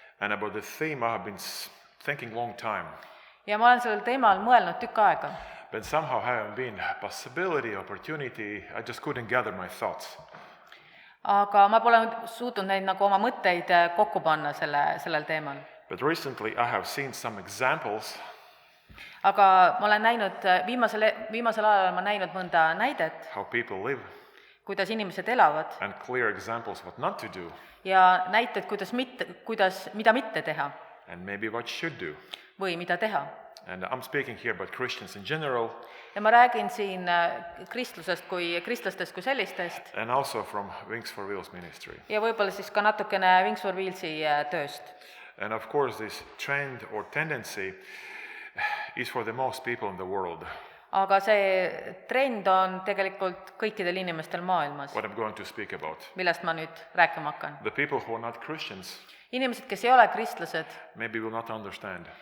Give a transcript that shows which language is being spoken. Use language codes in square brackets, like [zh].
[en] And about the theme I have been thinking long time. [et] Ja ma olen sellel teemal mõelnud tükk aega. [en] But somehow having been possibility, opportunity, I just couldn't gather my thoughts. [et] Aga ma pole suutnud neid nagu oma mõtteid kokku panna sellel teemal. [en] But recently I have seen some examples. [et] Aga ma olen näinud, viimasel ajal olen ma näinud mõnda näidet. [en] How people live. [et] Kuidas inimesed elavad. [en] And clear examples what not to do. [et] Ja näited, mida mitte teha. [en] And maybe what should do. [et] Või mida teha. [en] And I'm speaking here about Christians in general. [et] Ja ma räägin siin kristlusest kui kristlastest kui sellistest. [en] And also from Wings for Wheels ministry. [et] Ja võib-olla siis ka natukene Wings for Wheelsi tööst. [en] And of course this trend or tendency is for the most people in the world. [et] Aga see trend on tegelikult kõikidel inimestel maailmas. [en] What I'm going to speak about. [et] Millest ma nüüd rääkima hakkan. [en] The people who are not Christians. [et] Inimesed, kes ei ole kristlased, [en] maybe will not understand.